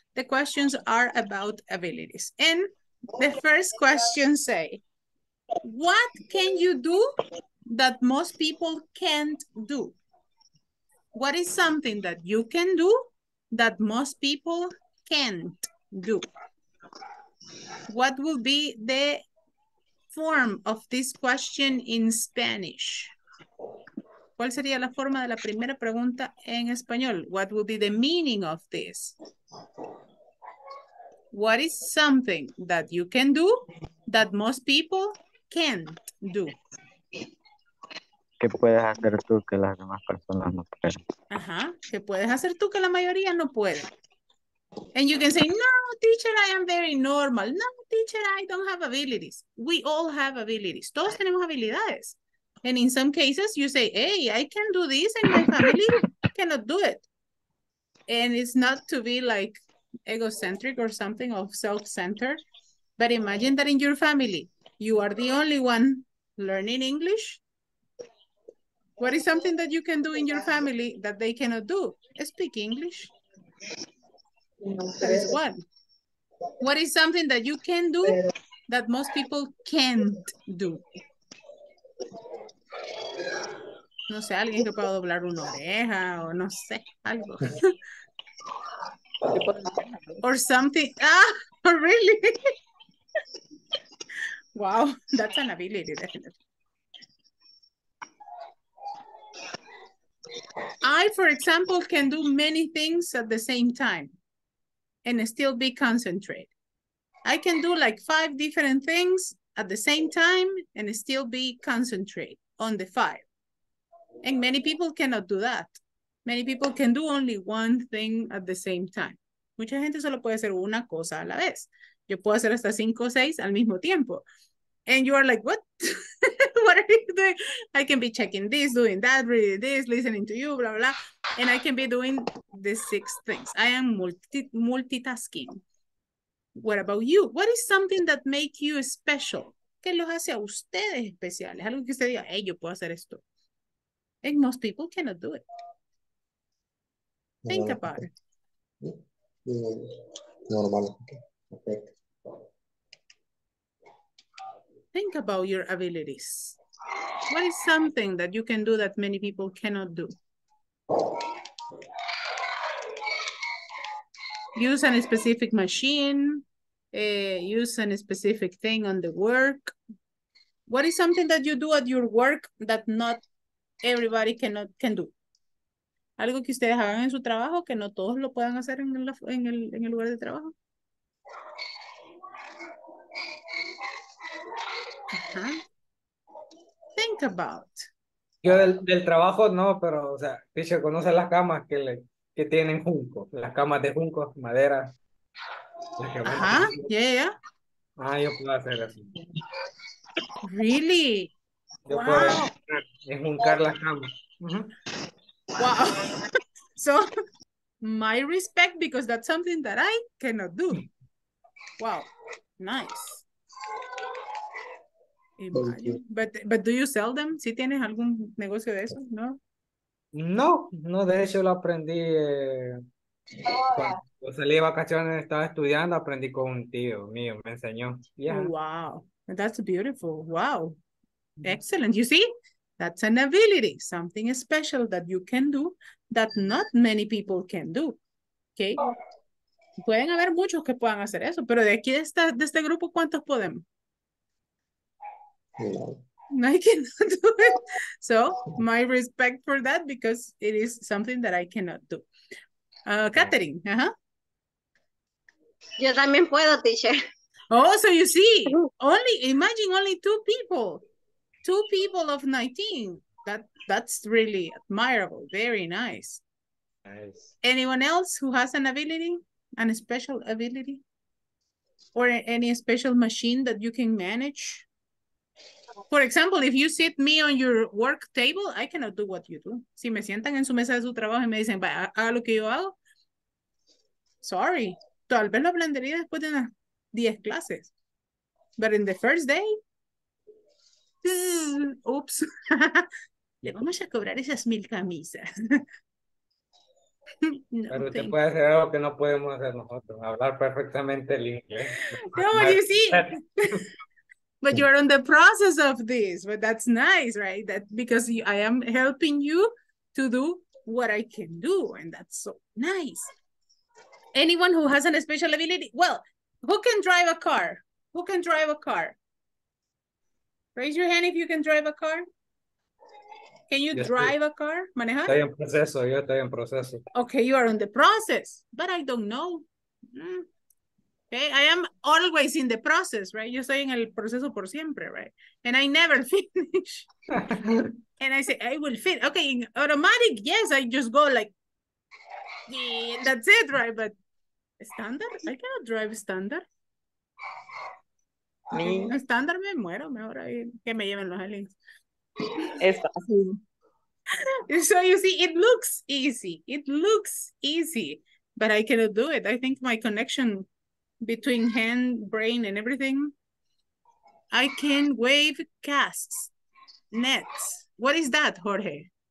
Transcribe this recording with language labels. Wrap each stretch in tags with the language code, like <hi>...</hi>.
<en>The questions are about abilities. And the first question say, what can you do that most people can't do? What is something that you can do that most people can't do? What will be the form of this question in Spanish?</en> <es>¿Cuál sería la forma de la primera pregunta en español?</es> <en>What would be the meaning of this? What is something that you can do that most people can't do?</en> <es>¿Qué puedes hacer tú que las demás personas no pueden? Ajá. ¿Qué puedes hacer tú que la mayoría no puede?</es> <en>And you can say, no, teacher, I am very normal. No, teacher, I don't have abilities. We all have abilities.</en> <es>Todos tenemos habilidades.</es> <en>And in some cases, you say, hey, I can do this and my family cannot do it. And it's not to be like egocentric or something of self-centered. But imagine that in your family, you are the only one learning English. What is something that you can do in your family that they cannot do? Speak English. That is one. What is something that you can do that most people can't do?</en> <es>No sé, alguien que pueda doblar una oreja o no sé, algo.</es> <en>Or something. Ah, really? Wow, that's an ability, definitely. I, for example, can do many things at the same time and still be concentrated. I can do like 5 different things at the same time and still be concentrated on the 5. And many people cannot do that. Many people can do only one thing at the same time.</en> <es>Mucha gente solo puede hacer una cosa a la vez. Yo puedo hacer hasta 5 o 6 al mismo tiempo.</es> <en>And you are like, what? What are you doing? I can be checking this, doing that, reading this, listening to you, blah, blah. And I can be doing the 6 things. I am multitasking. What about you? What is something that makes you special?</en> <es>¿Qué los hace a ustedes especiales? Algo que usted diga, hey, yo puedo hacer esto.</es> <en>And most people cannot do it. Think normal. About it. Normal. Think about your abilities. What is something that you can do that many people cannot do? Use a specific machine, use a specific thing on the work. What is something that you do at your work that not everybody can do? Algo que ustedes hagan en su trabajo que no todos lo puedan hacer en el lugar de trabajo. Uh-huh. Think about.</en> <es>Yo del trabajo no, pero o sea, Picho conoce las camas que tienen junco, las camas de junco, madera.</es> <en>Ajá, yeah, yeah.</en> <es>Ah, yo puedo hacer así.</es> <en>Really?</en> <es>Yo wow. Puedo enjuncar las camas.</es> <en>Uh-huh. Wow. So, my respect because that's something that I cannot do. Wow. Nice. But do you sell them?</en> <es>¿Sí tienes algún negocio de eso? No, no, no, de hecho lo aprendí cuando salí de vacaciones, estaba estudiando, aprendí con un tío mío, me enseñó.</es> <en>Yeah. Wow, that's beautiful. Wow, excellent. You see, that's an ability, something special that you can do that not many people can do.</en> <es>Okay, pueden haber muchos que puedan hacer eso, pero de aquí de este grupo, ¿cuántos podemos? No.</es> <en>I cannot do it. So, my respect for that because it is something that I cannot do.</en> <es>Catherine, ajá. Yo también puedo, teacher.</es> <en>Oh, so you see, only imagine only 2 people. 2 people of 19. That's really admirable. Very nice. Nice. Anyone else who has an ability? A special ability? Or any special machine that you can manage? For example, if you sit me on your work table, I cannot do what you do.</en> <es>Si me sientan en su mesa de su trabajo y me dicen, haga lo que yo hago.</es> <en>Sorry.</en> <es>Tal vez lo aprendería después de unas 10 clases.</es> <en>But in the first day, oops,</en> <es>le vamos a cobrar esas 1,000 camisas. No, pero usted puede hacer algo que no podemos hacer nosotros, hablar perfectamente el inglés.</es> <en>No, you see, but you are in the process of this, but that's nice, right? That because you, I am helping you to do what I can do, and that's so nice. Anyone who has a special ability, well, who can drive a car? Who can drive a car? Raise your hand if you can drive a car. Can you drive a car?</en> <es>Manejar? Estoy en proceso, yo estoy en proceso.</es> <en>Okay, you are in the process, but I don't know. Okay, I am always in the process, right?</en> <es>Yo estoy en el proceso por siempre, right?</es> <en>And I never finish. And I say, I will finish. Okay, in automatic, yes, I just go like, yeah, that's it, right? But standard, I cannot drive standard. Me.</en> <es>En standard me muero, mejor ahí, que me lleven los aliens.</es> <en>So you see, it looks easy. It looks easy, but I cannot do it. I think my connection between hand, brain, and everything. I can wave casts, nets. What is that, Jorge?</en>